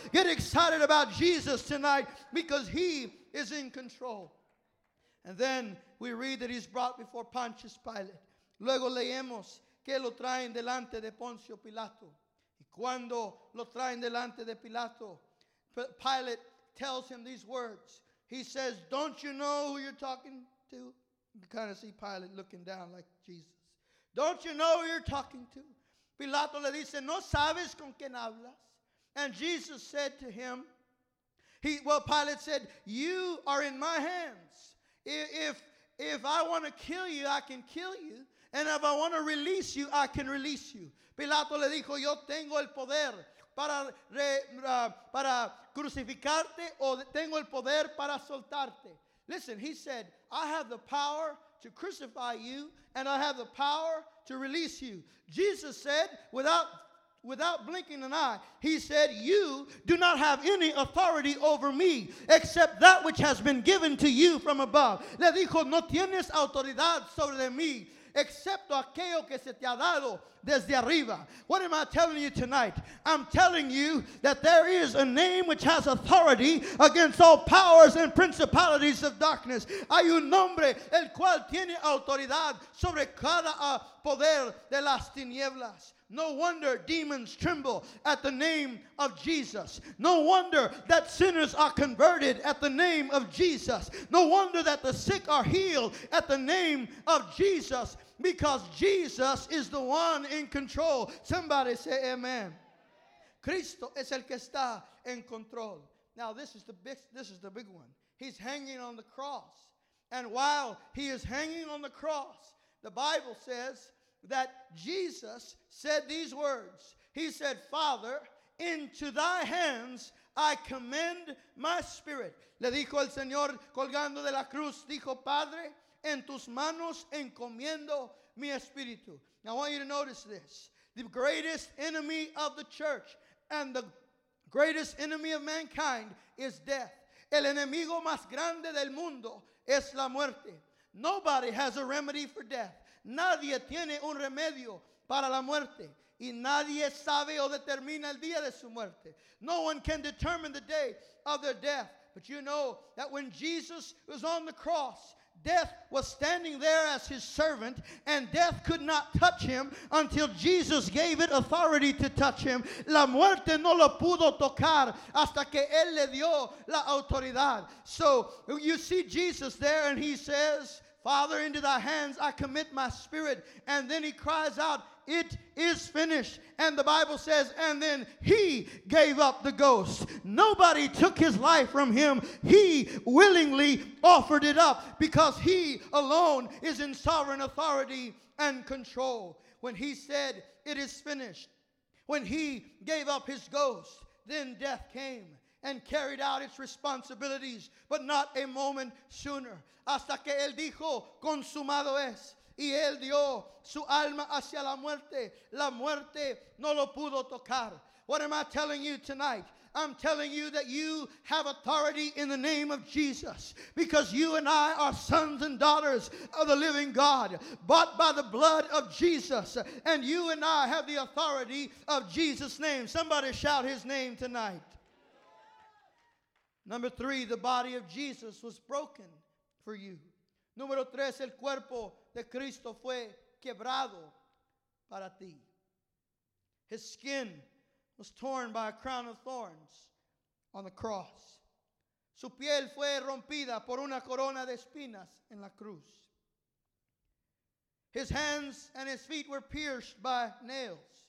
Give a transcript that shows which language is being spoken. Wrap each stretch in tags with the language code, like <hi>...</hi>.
<en>Get excited about Jesus tonight because he is in control. And then we read that he's brought before Pontius Pilate.</en> <es>Luego leemos que lo traen delante de Poncio Pilato. Y cuando lo traen delante de Pilato,</es> <en>Pilate tells him these words. He says, don't you know who you're talking to? You kind of see Pilate looking down like Jesus. Don't you know who you're talking to?</en> <es>Pilato le dice, ¿no sabes con quién hablas?</es> <en>And Jesus said to him, Pilate said, you are in my hands. If I want to kill you, I can kill you. And if I want to release you, I can release you.</en> <es>Pilato le dijo, yo tengo el poder para crucificarte o tengo el poder para soltarte.</es> <en>Listen, he said, I have the power to crucify you and I have the power to release you. Jesus said, without blinking an eye, he said, you do not have any authority over me except that which has been given to you from above.</en> <es>Le dijo, no tienes autoridad sobre mí excepto aquello que se te ha dado desde arriba.</es> <en>What am I telling you tonight? I'm telling you that there is a name which has authority against all powers and principalities of darkness.</en> <es>Hay un nombre el cual tiene autoridad sobre cada poder de las tinieblas.</es> <en>No wonder demons tremble at the name of Jesus. No wonder that sinners are converted at the name of Jesus. No wonder that the sick are healed at the name of Jesus, because Jesus is the one in control. Somebody say amen.</en> <es>Cristo es el que está en control.</es> <en>Now this is the big one. He's hanging on the cross. And while he is hanging on the cross, the Bible says that Jesus said these words. He said, Father, into thy hands I commend my spirit.</en> <es>Le dijo el Señor colgando de la cruz, dijo, Padre, en tus manos encomiendo mi espíritu.</es> <en>Now I want you to notice this. The greatest enemy of the church and the greatest enemy of mankind is death.</en> <es>El enemigo más grande del mundo es la muerte.</es> <en>Nobody has a remedy for death.</en> <es>Nadie tiene un remedio para la muerte. Y nadie sabe o determina el día de su muerte.</es> <en>No one can determine the day of their death. But you know that when Jesus was on the cross, death was standing there as his servant, and death could not touch him until Jesus gave it authority to touch him.</en> <es>La muerte no lo pudo tocar hasta que él le dio la autoridad.</es> <en>So you see Jesus there, and he says, Father, into thy hands I commit my spirit. And then he cries out, it is finished. And the Bible says, and then he gave up the ghost. Nobody took his life from him. He willingly offered it up because he alone is in sovereign authority and control. When he said, it is finished, when he gave up his ghost, then death came and carried out its responsibilities, but not a moment sooner.</en> <es>Hasta que él dijo, consumado es. Y él dio su alma hacia la muerte. La muerte no lo pudo tocar.</es> <en>What am I telling you tonight? I'm telling you that you have authority in the name of Jesus, because you and I are sons and daughters of the living God, bought by the blood of Jesus. And you and I have the authority of Jesus' name. Somebody shout his name tonight. Number three, the body of Jesus was broken for you.</en> <es>Número tres, el cuerpo de Cristo fue quebrado para ti.</es> <en>His skin was torn by a crown of thorns on the cross.</en> <es>Su piel fue rompida por una corona de espinas en la cruz.</es> <en>His hands and his feet were pierced by nails.</en>